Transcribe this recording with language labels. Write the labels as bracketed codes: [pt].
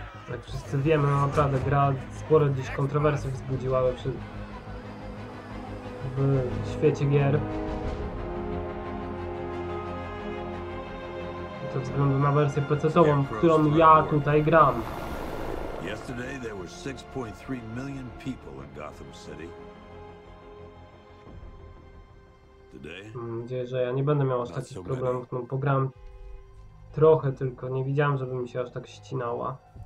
[pl] Jak wszyscy wiemy, no naprawdę gra sporo gdzieś kontrowersji wzbudziła w świecie gier. Ze względu na wersję PC-tową, w którą ja tutaj gram. [en] Yesterday there were 6.3 million people in Gotham City. Today? [pl] Mam nadzieję, że ja nie będę miał aż takich problemów. No, pograłem trochę tylko, nie widziałem, żeby mi się aż tak ścinała.